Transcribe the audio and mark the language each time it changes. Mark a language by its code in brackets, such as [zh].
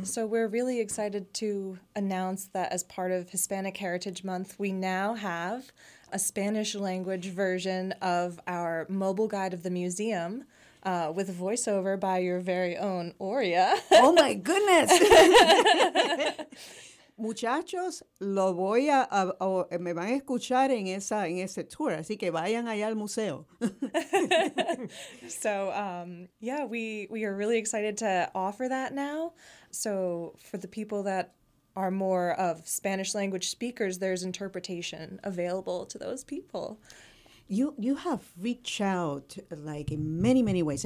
[en] So we're really excited to announce that as part of Hispanic Heritage Month, we now have a Spanish language version of our mobile guide of the museum with a voiceover by your very own Oria. Oh, my goodness. [es] Muchachos, lo voy a, o me van a escuchar en esa, en ese tour, así que vayan allá al museo. [en] So, yeah, we are really excited to offer that now. So for the people that are more of Spanish language speakers, there's interpretation available to those people. You have reached out like in many, many ways.